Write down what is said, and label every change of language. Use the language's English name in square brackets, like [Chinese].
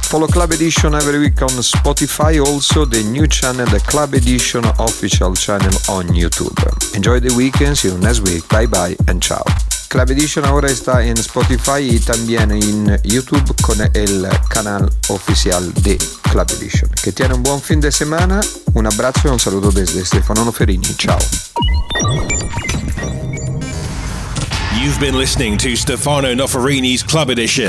[English] Club Edition every week on Spotify, also the new channel, the Club Edition official channel on YouTube. Enjoy the weekend, see you next week, bye bye and ciao. [Spanish] Club Edition ahora está en Spotify y también en YouTube con el canal oficial de Club Edition. Que tiene un buen fin de semana, un abrazo y un saludo desde Stefano Noferini, ciao. [English] You've been listening to Stefano Noferini's Club Edition.